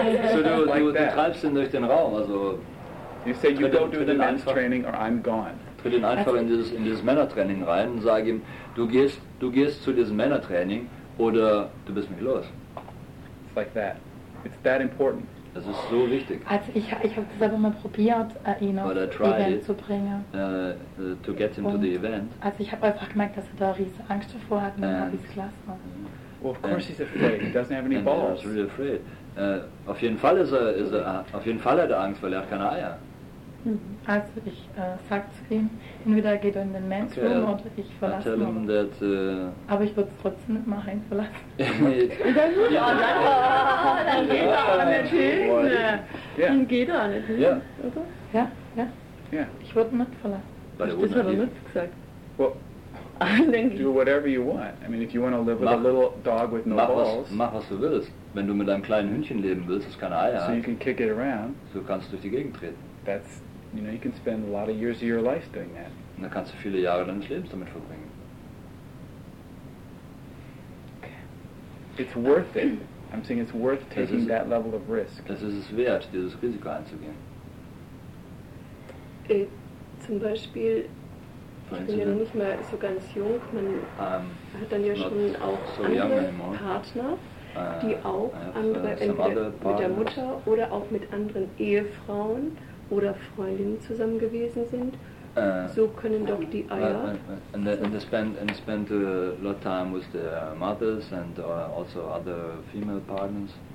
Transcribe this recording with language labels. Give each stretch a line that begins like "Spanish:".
German: So du treibst ihn durch den Raum, also...
English: You say you go do the men's training or I'm gone.
German: Tritt ihn einfach in dieses Männertraining rein und sag ihm, du gehst zu diesem Männertraining oder du bist mich los.
English: It's like that. It's that important.
German: Das ist so wichtig. Also ich habe das aber mal probiert, ihn aufs Event zu bringen.
English: To get him to the event.
German: Also ich habe einfach gemerkt, dass er da riese Angst davor hat und dann habe ich es gelassen.
English: Well, of course he's afraid. He doesn't have any balls. He's really afraid.
German: Auf jeden Fall ist er, auf jeden Fall hat er Angst, weil er hat keine Eier. Also ich sage zu ihm, entweder er geht in den Men's Room oder ich verlasse ihn. Aber ich würde es trotzdem nicht mal reinverlassen. Dann geht er auch nicht hin. Dann geht er auch nicht hin. Ja. Ich würde ihn nicht verlassen. Das hat er nicht gesagt.
English: Do whatever you want. I mean, if you want to live with a little dog with no balls.
German: Mach was du willst. Wenn du mit einem kleinen Hündchen leben willst, das keine Eier hat.
English: So you can kick it around.
German: So kannst du durch die Gegend treten.
English: That's, you know, you can spend a lot of years of your life doing that.
German: Und dann kannst du viele Jahre deines Lebens damit verbringen.
English: Okay. It's worth it. I'm saying it's worth taking that level of risk.
German: Das ist es wert, dieses Risiko einzugehen. Zum Beispiel... Ich bin ja noch nicht mehr so ganz jung, man hat dann ja schon auch so andere Partner, die auch andere, entweder mit der Mutter oder auch mit anderen Ehefrauen oder Freundinnen zusammen gewesen sind. So können doch die Eier...
English: And they spend a lot of time with their mothers and also other female partners.